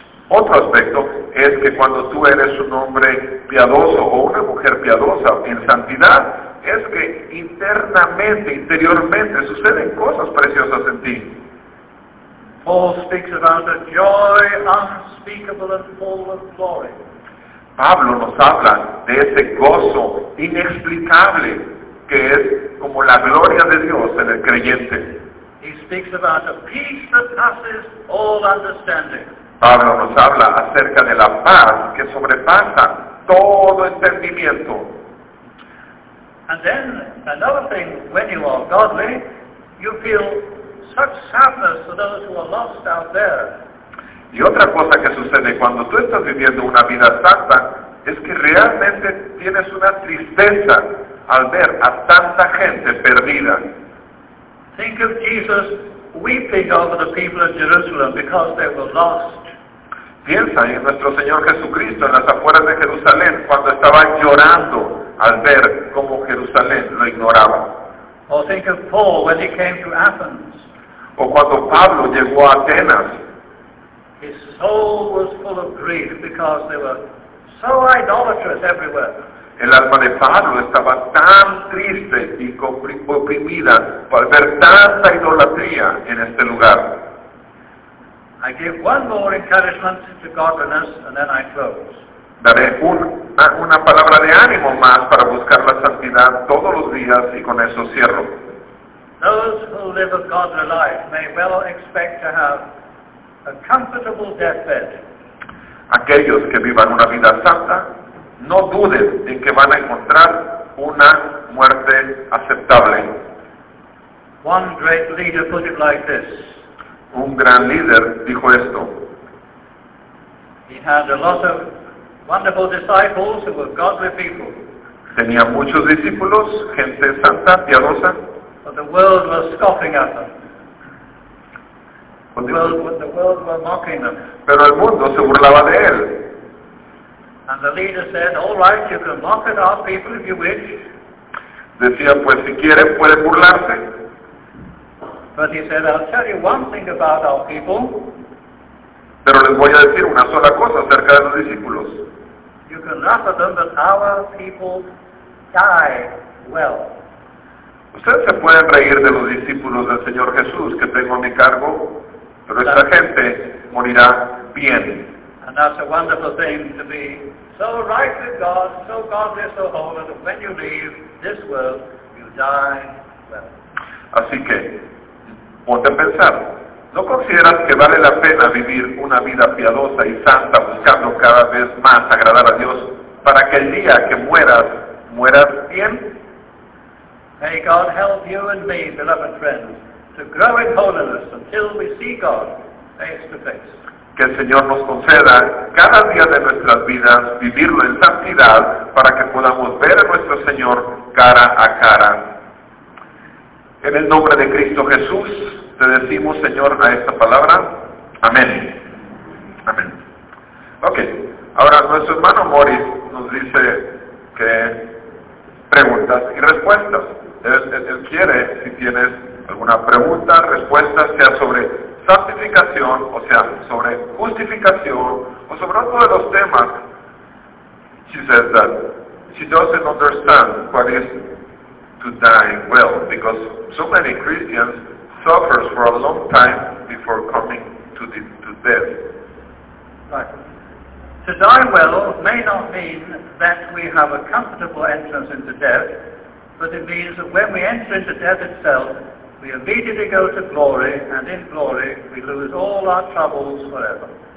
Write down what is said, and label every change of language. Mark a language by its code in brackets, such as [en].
[es] Otro aspecto es que cuando tú eres un hombre piadoso o una mujer piadosa en santidad, es que internamente, interiormente, suceden cosas preciosas en ti. [en] Paul speaks about a joy unspeakable and full of glory. [es] Pablo nos habla de ese gozo inexplicable que es como la gloria de Dios en el creyente. [en] He speaks about a peace that passes all understanding. [es] Pablo nos habla acerca de la paz que sobrepasa todo entendimiento. [en] And then another thing, when you are godly, you feel such sadness for those who are lost out there. [es] Y otra cosa que sucede cuando tú estás viviendo una vida santa es que realmente tienes una tristeza al ver a tanta gente perdida. [en] Think of Jesus weeping over the people of Jerusalem because they were lost. [es] Piensa en nuestro Señor Jesucristo en las afueras de Jerusalén cuando estaba llorando al ver cómo Jerusalén lo ignoraba. [en] Or think of Paul when he came to Athens. [es] O cuando Pablo llegó a Atenas. [en] His soul was full of grief because they were so idolatrous everywhere. [es] El alma de Pablo estaba tan triste y oprimida por ver tanta idolatría en este lugar. [en] I give one more encouragement to godliness and then I close. [es] Daré una palabra de ánimo más para buscar la santidad todos los días y con eso cierro. [en] Those who live a godly life may well expect to have a comfortable deathbed. [es] Aquellos que vivan una vida santa, no duden en que van a encontrar una muerte aceptable. [en] One great leader put it like this. [es] Un gran líder dijo esto. [en] He had a lot of wonderful disciples who were godly people. [es] Tenía muchos discípulos, gente santa, piadosa. [en] But the world was scoffing at them. The world were mocking them. [es] Pero el mundo se burlaba de él. [en] And the leader said, "All right, you can mock at our people if you wish." [es] Decía, pues si quieren pueden burlarse. [en] But he said, "I'll tell you one thing about our people." [es] Pero les voy a decir una sola cosa acerca de los discípulos. [en] You can laugh at them, but our people die well. [es] Ustedes se pueden reír de los discípulos del Señor Jesús que tengo a mi cargo, pero esta gente morirá bien. [en] And that's a wonderful thing to be so right with God, so godly, so holy, that when you leave this world, you die well. [es] Así que, ponte a pensar, ¿no consideras que vale la pena vivir una vida piadosa y santa buscando cada vez más agradar a Dios para que el día que mueras, mueras bien? [en] May God help you and me, beloved friends, to grow in holiness until we see God face to face. [es] Que el Señor nos conceda cada día de nuestras vidas vivirlo en santidad para que podamos ver a nuestro Señor cara a cara. En el nombre de Cristo Jesús, te decimos, Señor, a esta palabra, amén. Amén. Ok, ahora nuestro hermano Morris nos dice que preguntas y respuestas. Él quiere, si tienes alguna pregunta, respuesta, sea sobre santificación, o sea, sobre justificación, o sobre otro de los temas. [en] She says that she doesn't understand what is to die well, because so many Christians suffer for a long time before coming to death. Right. To die well may not mean that we have a comfortable entrance into death, but it means that when we enter into death itself, we immediately go to glory, and in glory we lose all our troubles forever.